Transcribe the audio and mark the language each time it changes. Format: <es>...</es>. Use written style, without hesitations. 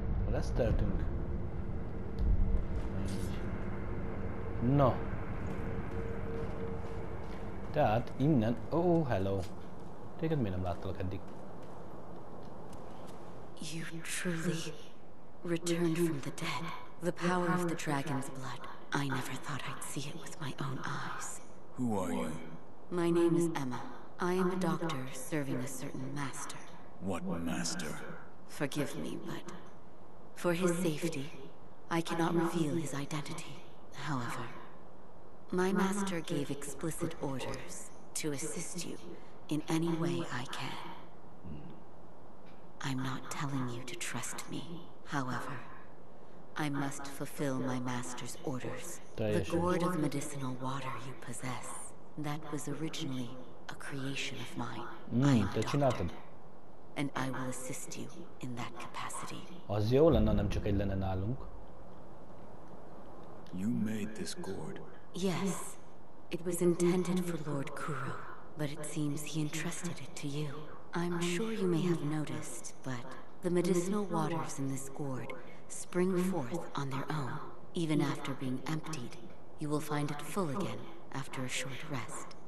<hu>Leszteltünk. No. Tehát innen...</hu> <en>Oh, hello.</en> <hu>Téged miért nem láttalak eddig?</hu> <en>You truly returned from the dead. The power of the dragon's blood. I never thought I'd see it with my own eyes. Who are you? My name is Emma. I am a doctor serving a certain master. What master? Forgive me, but for his safety, I cannot reveal his identity. However, my master gave explicit orders to assist you in any way I can. I'm not telling you to trust me. However, I must fulfill my master's orders. The gourd of medicinal water you possess, that was originally a creation of mine. I am a doctor, and I will assist you in that capacity.</en> <hu>Az jó lenne, nem csak egy lenne nálunk.</hu> <en>You made this gourd? Yes. It was intended for Lord Kuro, but it seems he entrusted it to you. I'm sure you may have noticed, but the medicinal waters in this gourd spring forth on their own. Even after being emptied, you will find it full again after a short rest.</en>